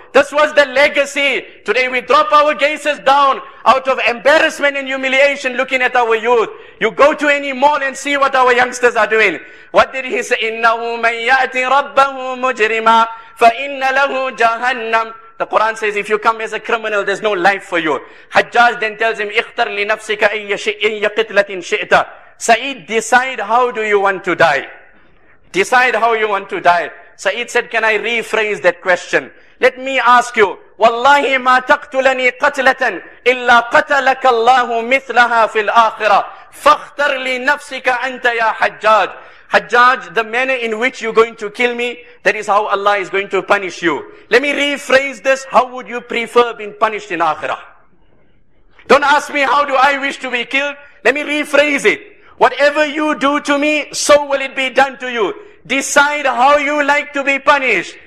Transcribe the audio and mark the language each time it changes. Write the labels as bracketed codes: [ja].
[en] This was the legacy. Today we drop our gazes down out of embarrassment and humiliation looking at our youth. You go to any mall and see what our youngsters are doing. What did he say? [ar] Innahu man ya'ti rabbahu mujrima fa'inna lahu jahannam. [en] The Quran says, if you come as a criminal, there's no life for you. Hajjaj then tells him, [ar] اختر لنفسك أي قتلة شئت. [en] Saeed, decide how do you want to die. Decide how you want to die. Saeed said, can I rephrase that question? Let me ask you, [ar] wallahi ما تقتلني قتلة إلا قتلك الله مثلها في الآخرة. فاختر لنفسك أنت يا حجاج. [en] Hajjaj, the manner in which you're going to kill me, that is how Allah is going to punish you. Let me rephrase this. How would you prefer being punished in Akhirah? Don't ask me, how do I wish to be killed? Let me rephrase it. Whatever you do to me, so will it be done to you. Decide how you like to be punished.